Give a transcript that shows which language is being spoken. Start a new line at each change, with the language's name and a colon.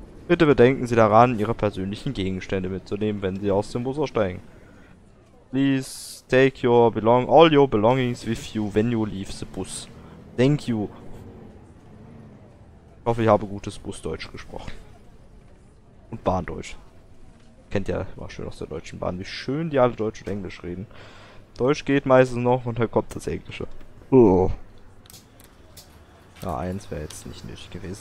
German: Bitte bedenken Sie daran, Ihre persönlichen Gegenstände mitzunehmen, wenn Sie aus dem Bus aussteigen.
English: Please take your all your belongings with you when you leave the bus. Thank you.
German: Ich hoffe, ich habe gutes Busdeutsch gesprochen. Und Bahndeutsch. Kennt ja immer schön aus der deutschen Bahn, wie schön die alle Deutsch und Englisch reden. Deutsch geht meistens noch und dann kommt das Englische. Oh. Ja, eins wäre jetzt nicht nötig gewesen.